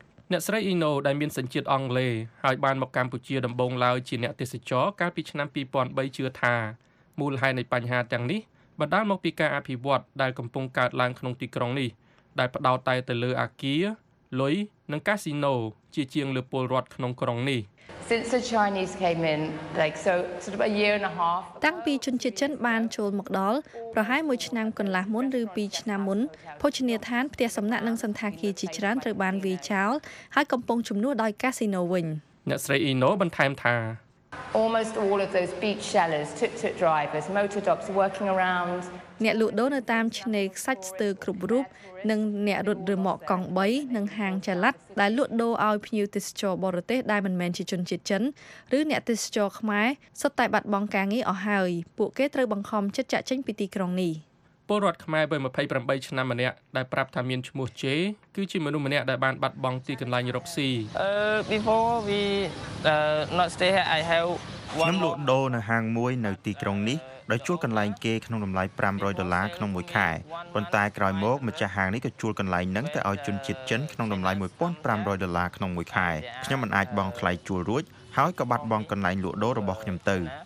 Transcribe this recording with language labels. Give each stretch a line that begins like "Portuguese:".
Khmer: អ្នកស្រីអ៊ីណូដែលមានសញ្ជាតិអង់គ្លេសហើយបានមកកម្ពុជាដំបូងឡើយជាអ្នកទេសចរកាលពីឆ្នាំ2003ជឿថាមូលហេតុនៃបញ្ហាទាំងនេះបណ្ដាលមកពីការអភិវឌ្ឍដែលកំពុងកើតឡើងក្នុងទីក្រុងនេះដែលផ្ដោតតែទៅលើអាគារលុយនិងកាស៊ីណូជាជាងលើពលរដ្ឋក្នុងក្រុងនេះ
English: Since the Chinese came in like so sort of a year and a half
Khmer: តាំងពីជនជាតិចិនបានចូលមកដល់ប្រហែលមួយឆ្នាំកន្លះមុនឬ2ឆ្នាំមុនភោជនីយដ្ឋានផ្ទះសំណាក់និងសន្តាគារជាច្រើនត្រូវបានវាយចោលហើយកំពុងជំនួសដោយកាស៊ីណូវិញ អ្នកស្រីអ៊ីណូបន្ថែមថា
English: Almost all of those beach shellers tuk-tuk drivers motor dogs working around
Khmer: អ្នកលក់ដូរនៅតាមឆ្នេរខ្សាច់ស្ទើរគ្រប់រូបនិងអ្នករត់រមាក់កង់3និងហាងចល័តដែលលក់ដូរឲ្យភ្ញៀវទេសចរបរទេសដែលមិនមែនជាជនជាតិចិនឬអ្នកទេសចរខ្មែរសុទ្ធតែបាត់បង់ការងារអស់ហើយពួកគេត្រូវបង្ខំចិត្តចាក់ចេញពីទីក្រុងនេះ ពលរដ្ឋខ្មែរវ័យ28ឆ្នាំម្នាក់ដែលប្រាប់ថាមានឈ្មោះជេគឺជាមនុស្សម្នាក់ដែលបានបាត់បង់ទីកន្លែងរកស៊ី
English: Before we not stay here I have
Khmer: ខ្ញុំលក់ដូរនៅហាងមួយនៅទីក្រុងនេះដោយជួលកន្លែងគេក្នុងតម្លៃ500ដុល្លារក្នុងមួយខែប៉ុន្តែក្រោយមកម្ចាស់ហាងនេះក៏ជួលកន្លែងនឹងទៅឲ្យជនជាតិចិនក្នុងតម្លៃ1,500ដុល្លារក្នុងមួយខែខ្ញុំមិនអាចបង់ថ្លៃជួលរួចហើយក៏បាត់បង់កន្លែងលក់ដូររបស់ខ្ញុំទៅ